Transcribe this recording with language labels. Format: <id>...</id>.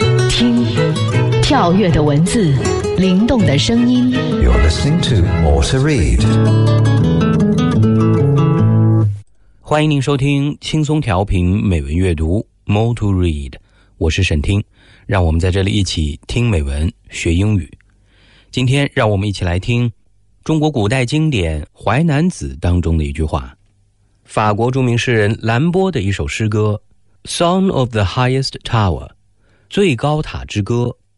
<zh>听，跳跃的文字，灵动的声音。</zh> <en>You are listening to More to Read.</en> <zh>欢迎您收听轻松调频美文阅读 More to Read， 我是沈听，让我们在这里一起听美文学英语。今天让我们一起来听中国古代经典《淮南子》当中的一句话，法国著名诗人兰波的一首诗歌 Song of the Highest Tower， 最高塔之歌。</zh>